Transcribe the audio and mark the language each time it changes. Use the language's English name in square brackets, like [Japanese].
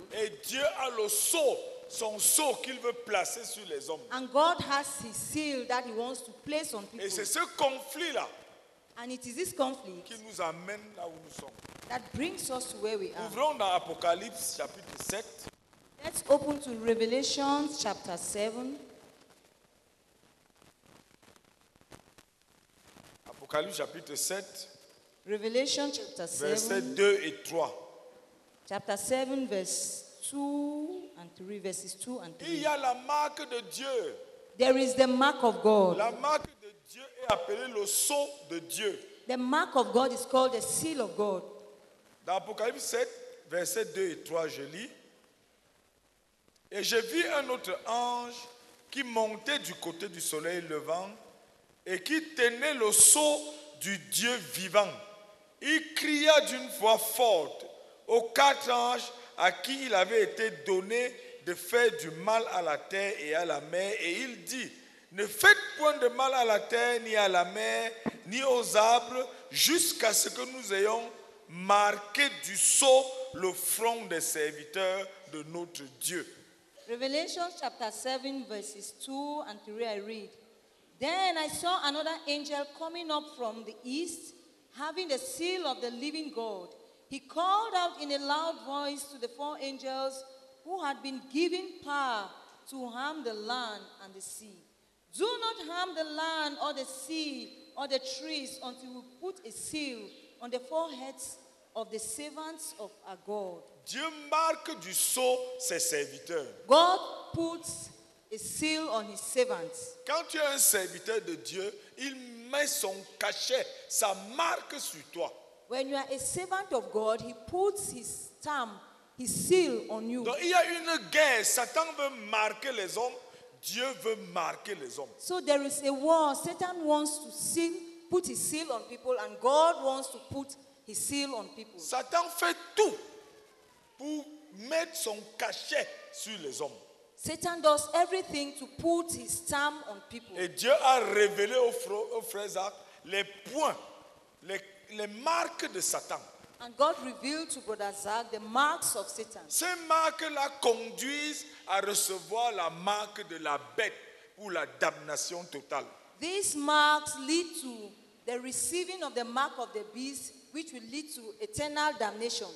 [French] Et Dieu a le sceau, son sceau qu'il veut placer sur les hommes. [English] And God has his seal that he wants to place on people. [French] Et c'est ce conflit là. [English] And it is this conflict [French] qui nous amène là où nous sommes. [English] That brings us to where we are. [French] Ouvrons dans Apocalypse chapitre 7. [English] Let's open to Revelation chapter 7. [French] Apocalypse chapitre 7. [English] Revelation chapter 7. [French] Verset 2 et 3. [English] Chapter 7 verses 2 and 3. [French] Il y a la marque de Dieu. [English] There is the mark of God. [French] La marque de Dieu est appelée le sceau de Dieu. [English] The mark of God is called the seal of God. [French] Dans Apocalypse 7, versets 2 et 3, je lis. Et je vis un autre ange qui montait du côté du soleil levant et qui tenait le sceau du Dieu vivant. Il cria d'une voix forte aux quatre anges à qui il avait été donné de faire du mal à la terre et à la mer. Et il dit, ne faites point de mal à la terre, ni à la mer, ni aux arbres, jusqu'à ce que nous ayons marqué du sceau le front des serviteurs de notre Dieu. [English] Revelation chapter 7 verses 2 and 3 I read. Then I saw another angel coming up from the east, having the seal of the living God. He called out in a loud voice to the four angels who had been given power to harm the land and the sea. Do not harm the land or the sea or the trees until we put a seal on the foreheads of the servants of our God. [French] Dieu marque du sceau ses serviteurs. [English] God puts a seal on his servants. [French] Quand tu es un serviteur de Dieu, il met son cachet, sa marque sur toi. [English] When you are a servant of God, he puts his stamp, his seal on you. [French] Donc il y a une guerre, Satan veut marquer les hommes, Dieu veut marquer les hommes. [English] So there is a war, Satan wants to seal, put his seal on people and God wants to put his seal on people. [French] Satan fait tout pour mettre son cachet sur les hommes. [English] Satan does everything to put his stamp on people. [French] Et Dieu a révélé au frère les points, les marques de Satan. [English] And God revealed to brother Zach the marks of Satan. [French] Ces marques-là conduisent à recevoir la marque de la bête ou la damnation totale. [English] These marks lead to the receiving of the mark of the beast, which will lead to eternal damnation.